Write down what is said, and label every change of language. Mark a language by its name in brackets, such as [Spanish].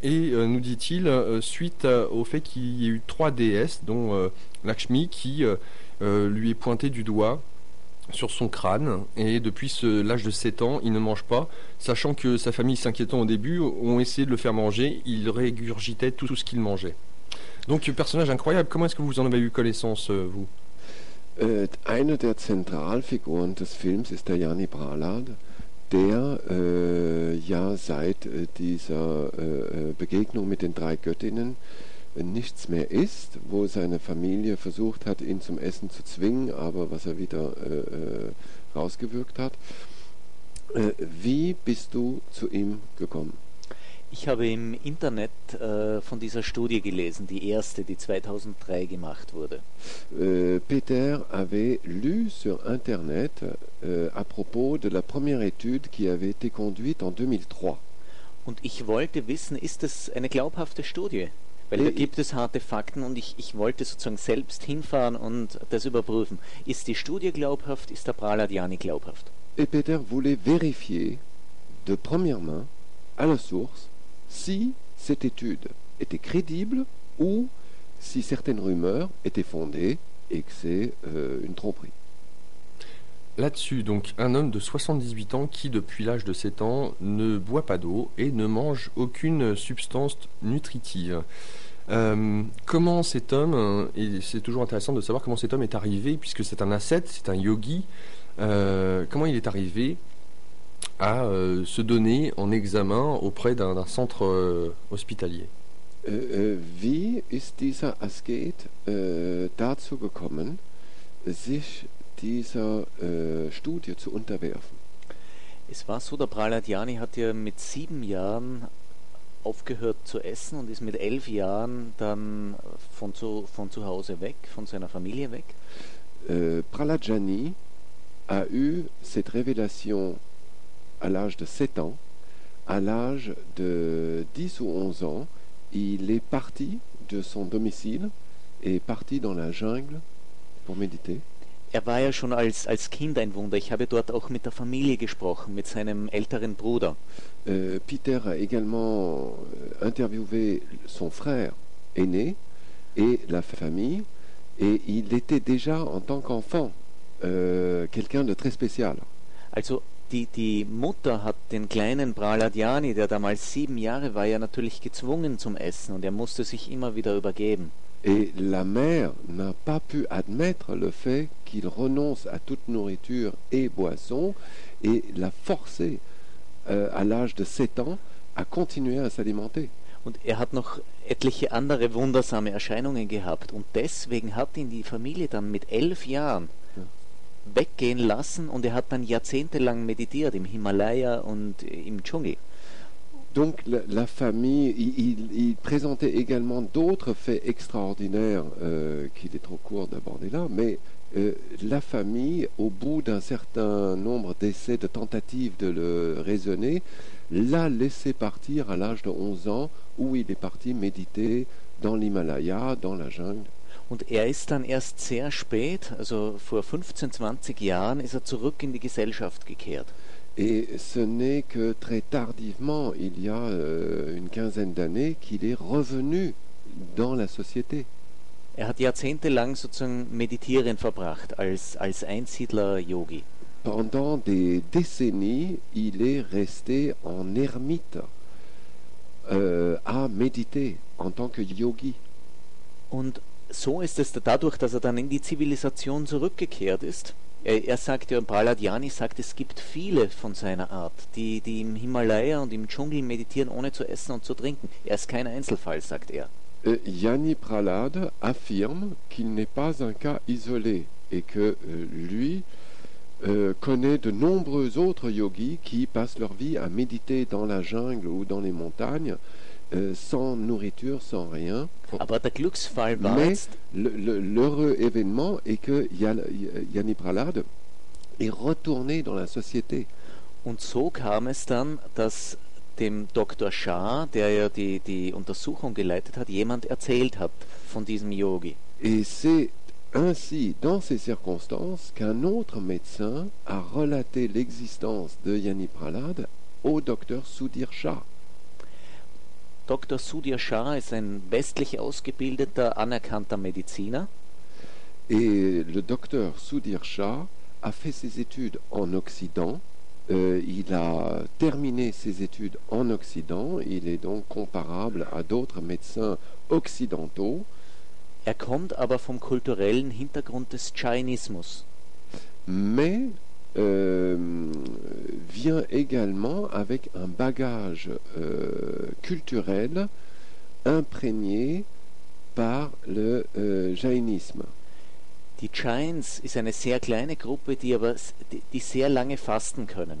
[French] Et nous dit-il, suite au fait qu'il y ait eu 3 déesses, dont Lakshmi, qui lui est pointé du doigt sur son crâne, et depuis l'âge de 7 ans, il ne mange pas, sachant que sa famille, s'inquiétant au début, ont essayé de le faire manger, il régurgitait tout ce qu'il mangeait. Donc, personnage incroyable, comment est-ce que vous en avez eu connaissance, vous? [German] Eine der Zentralfiguren des Films ist der Jani Prahlad, der ja seit dieser Begegnung mit den drei Göttinnen nichts mehr isst, wo seine Familie versucht hat, ihn zum Essen zu zwingen, aber was er wieder rausgewürgt hat. Wie bist du zu ihm gekommen? Ich habe im Internet von dieser Studie gelesen, die erste, die 2003 gemacht wurde. [French] Peter avait lu sur Internet à propos de la première étude qui avait été conduite en 2003. [German] Und ich wollte wissen, ist das eine glaubhafte Studie? Weil da gibt es harte Fakten und ich wollte sozusagen selbst hinfahren und das überprüfen. Ist die Studie glaubhaft? Ist der Prahlad Yani glaubhaft? [French] Et Peter voulait vérifier de première main, à la source, si cette étude était crédible ou si certaines rumeurs étaient fondées et que c'est une tromperie. Là-dessus, donc, un homme de 78 ans qui, depuis l'âge de 7 ans, ne boit pas d'eau et ne mange aucune substance nutritive. Comment cet homme, et c'est toujours intéressant de savoir comment cet homme est arrivé, puisque c'est un ascète, c'est un yogi, comment il est arrivé à se donner en examen auprès d'un centre hospitalier. [German] Wie ist dieser Asket dazu gekommen, sich dieser Studie zu unterwerfen? Es war so, der Prahladiani hat ja mit 7 Jahren aufgehört zu essen und ist mit 11 Jahren dann von zu Hause weg, von seiner Familie weg. [French] Prahladiani a eu cette révélation à l'âge de 7 ans. À l'âge de 10 ou 11 ans, il est parti de son domicile et parti dans la jungle pour méditer. [German] Er war ja schon als Kind ein Wunder. Ich habe dort auch mit der Familie gesprochen, mit seinem älteren Bruder. [French] Peter a également interviewé son frère aîné et la famille, et il était déjà en tant qu'enfant quelqu'un de très spécial. [German] Also die Mutter hat den kleinen Prahladiani, der damals 7 Jahre war, ja natürlich gezwungen zum Essen und er musste sich immer wieder übergeben. [French] Et la mère n'a pas pu admettre le fait qu'il renonce à toute nourriture et boisson et l'a forcé à l'âge de 7 ans à continuer à s'alimenter. [German] Und er hat noch etliche andere wundersame Erscheinungen gehabt und deswegen hat ihn die Familie dann mit 11 Jahren weggehen lassen und er hat dann jahrzehntelang meditiert im Himalaya und im Dschungel. [French] Donc la famille, il présentait également d'autres faits extraordinaires qu'il est trop court d'aborder là, mais la famille, au bout d'un certain nombre d'essais, de tentatives de le raisonner, l'a laissé partir à l'âge de 11 ans où il est parti méditer dans l'Himalaya, dans la jungle. [German] Und er ist dann erst sehr spät, also vor 15, 20 Jahren, ist er zurück in die Gesellschaft gekehrt. [French] Et ce n'est que très tardivement, il y a une quinzaine d'années, qu'il est revenu dans la société. [German] Er hat jahrzehntelang sozusagen meditieren verbracht, als Einsiedler-Yogi. [French] Pendant des décennies, il est resté en ermite, à méditer, en tant que yogi. [German] Und so ist es dadurch, dass er dann in die Zivilisation zurückgekehrt ist. Er sagt ja, Prahladiani sagt, es gibt viele von seiner Art, die im Himalaya und im Dschungel meditieren, ohne zu essen und zu trinken. Er ist kein Einzelfall, sagt er. [French] Yani Prahlad affirme qu'il n'est pas un cas isolé et que lui connaît de nombreux autres yogis qui passent leur vie à méditer dans la jungle ou dans les montagnes. Sans nourriture, sans rien. [German] Aber der Glücksfall war [French] Mais l'heureux événement est que Yani Prahlad est retourné dans la société. [German] Und so kam es dann, dass dem Dr. Shah, der ja die Untersuchung geleitet hat, jemand erzählt hat von diesem Yogi. [French] Et c'est ainsi, dans ces circonstances, qu'un autre médecin a relaté l'existence de Yani Prahlad au Dr. Sudhir Shah. [German] Dr. Sudhir Shah ist ein westlich ausgebildeter, anerkannter Mediziner. [French] Et le docteur Sudhir Shah a fait ses études en Occident. Il a terminé ses études en Occident. Il est donc comparable à d'autres médecins occidentaux. [German] Er kommt aber vom kulturellen Hintergrund des Jainismus. [French] Mais vient également avec un bagage culturel imprégné par le jainisme. [German] Die Jains ist eine sehr kleine Gruppe, die sehr lange fasten können.